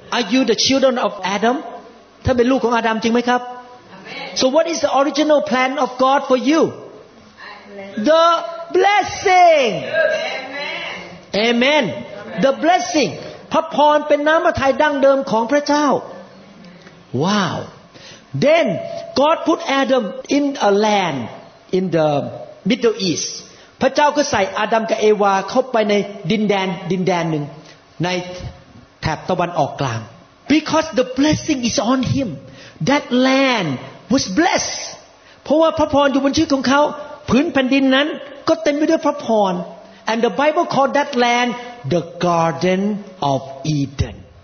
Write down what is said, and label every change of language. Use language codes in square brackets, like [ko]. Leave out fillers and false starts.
[en] Are you the children of Adam? [th] ท่านเป็นลูกของอาดัมจริงไหมครับ [en] So what is the original plan of God for you? The blessing amen. amen the blessing [th] พระพรเป็นน้ำพระทัยดั้งเดิมของพระเจ้า wow then [en] God put Adam in a land in the Middle East. [th] พระเจ้าก็ใส่อาดัมกับเอวาเข้าไปในดินแดนหนึ่งในแถบตะวันออกกลาง [en] Because the blessing is on him, that land was blessed. [th] เพราะว่าพระพรอยู่บนชื่อของเขาพื้นแผ่นดินนั้นก็เต็มไปด้วยพระพร [en] And the Bible called that land the Garden of Eden.